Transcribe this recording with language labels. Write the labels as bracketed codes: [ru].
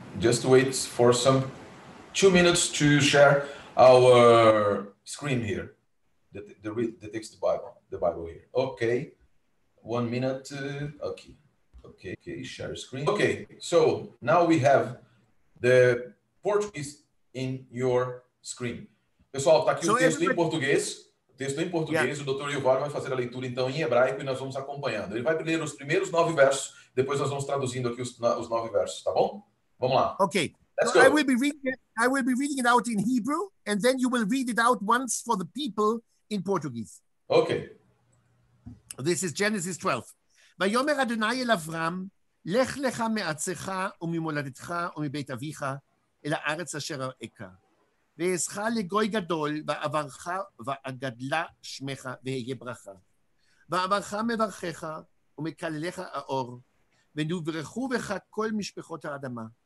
[en] Just wait for some 2 minutes to share our screen here. The text the Bible here. Okay, 1 minute. Okay. Share screen. Okay, so now we have the Portuguese in your screen. [pt] Pessoal, tá aqui o texto em português. Texto em português. [en] Yeah. [pt] O Dr. Yuval vai fazer a leitura então em hebraico e nós vamos acompanhando. Ele vai ler os primeiros 9 versos. Depois nós vamos traduzindo aqui os 9 versos. Tá bom? Vamos lá. [en] Okay. Let's go. I will be reading it out in Hebrew and then you will read it out once for the people in Portuguese. Okay. This is Genesis 12. [he] ויאמר אדוני אל אברהם, לך לך מארצך וממולדתך ומבית אביך אל הארץ אשר אראך. ואעשך לגוי גדול, ואברכך ואגדלה שמך ואהיה ברכה. ואברכך מברכך ומקללך האור, ונברכו בך כל משפחות האדמה.